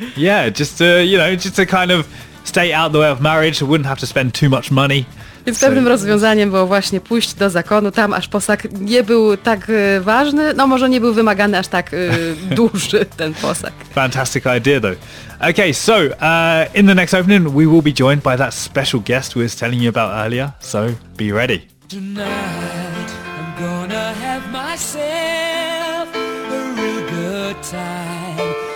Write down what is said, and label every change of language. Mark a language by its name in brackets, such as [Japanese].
[English] Yeah, just to, you know, just to kind of stay out the way of marriage, wouldn't have to spend too much money. [Polish] Więc pewnym rozwiązaniem było właśnie pójść do zakonu, tam aż posag nie był tak ważny, no może nie był wymagany aż tak duży ten posag. [English] Fantastic idea though. Okay, so in the next opening we will be joined by that special guest we was telling you about earlier, so be ready. Tonight I'm gonna have myself a real good time.